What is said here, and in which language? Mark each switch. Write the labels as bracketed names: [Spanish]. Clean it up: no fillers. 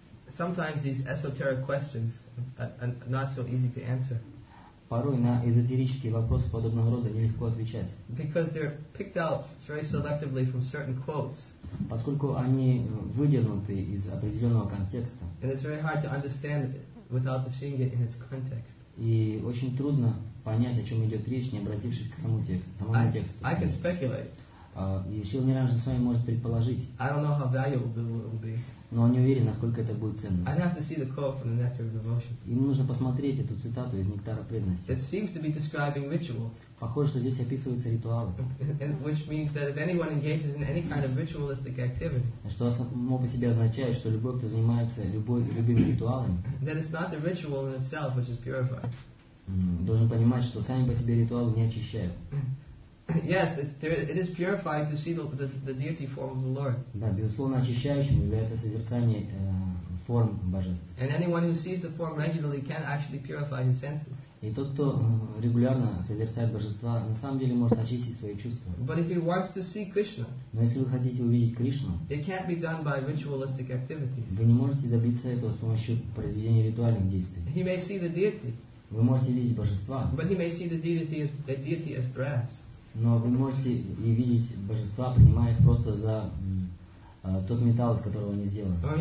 [English] Sometimes these esoteric questions are not so easy to answer. [Russian] Порой на эзотерические вопросы подобного рода нелегко отвечать. [English] Because they're picked out very selectively from certain quotes. [Russian] Поскольку они выдернуты из определенного контекста. [English] And it's very hard to understand it without seeing it in its context. [Russian] И очень трудно понять, о чем идет речь, не обратившись к самому тексту. [English] I can speculate. [Russian] Шрила Ниранджан Свами может предположить. [English] I don't know how valuable it will be. [Russian] Но он не уверен, насколько это будет ценно. [English] I'd have to see the quote from the Nectar of Devotion. [Russian] Ему нужно посмотреть эту цитату из Нектара преданности. [English] It seems to be describing rituals. [Russian] Похоже, что здесь описываются ритуалы. [English] Which means that if anyone engages in any kind of ritualistic activity. [Russian] Что само по себе означает, что любой, кто занимается любыми ритуалами. [English] That it's not the ritual in itself which is purified. [Russian] Должен понимать, что сами по себе ритуалы не очищают. [English] Yes, it is purified to see the deity form of the Lord. [Russian] Да, безусловно, очищающим является созерцание форм божеств. [English] And anyone who sees the form regularly can actually purify his senses. [Russian] И тот, кто регулярно созерцает божества, на самом деле может очистить свои чувства. [English] But if he wants to see Krishna, [Russian] но если вы хотите увидеть Кришну, [English] it can't be done by ritualistic activities. [Russian] Вы не можете добиться этого с помощью проведения ритуальных действий. [English] He may see the deity. [Russian] Вы можете видеть божества. [English] But he may see the deity as the deity as brass. [Russian] Но вы можете и видеть божества, принимая их просто за тот металл, из которого они сделаны.